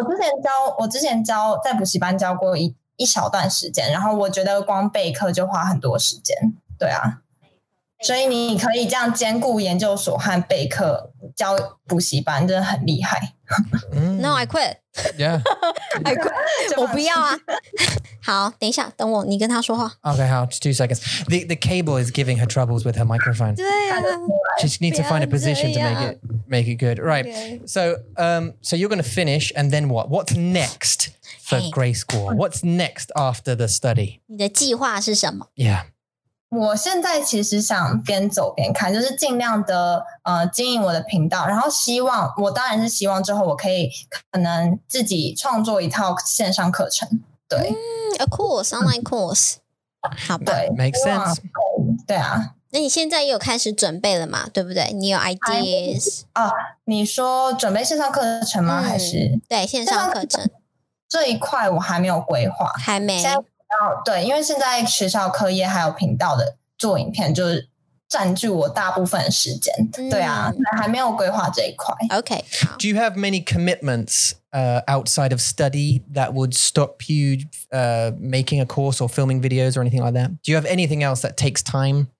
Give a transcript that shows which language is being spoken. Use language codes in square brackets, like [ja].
[zh] 我之前教在补习班教过一小段时间，然后我觉得光备课就花很多时间。对啊。所以你可以这样兼顾研究所和备课教补习班，真的很厉害。 [en] No, I quit. Yeah, [zh] I quit. 我不要啊。好，等一下，等我，你跟他说话。 [en] Okay, 好，just 2 seconds. The cable is giving her troubles with her microphone. [zh] 对啊。 [en] She needs to find a position to make it good. Right. Okay. So you're going to finish, and then what? What's next for Grace Guo? What's next after the study? [zh] 你的计划是什么 [en] ？Yeah. [zh] 我现在其实想边走边看，就是尽量的经营我的频道，然后希望我当然是希望之后我可以可能自己创作一套线上课程，对， [en] a course, online course, 好吧， [zh] 对 [en] ，make sense, [zh] 对啊，那你现在又开始准备了嘛，对不对？你有 ideas 啊？你说准备线上课程吗？还是对线上课程这一块我还没有规划，还没。对，因为现在学校课业还有频道的做影片就是占据我大部分时间，对啊，还没有规划这一块。 [en] OK, Do you have many commitments outside of study that would stop you making a course or filming videos or anything like that? Do you have anything else that takes time?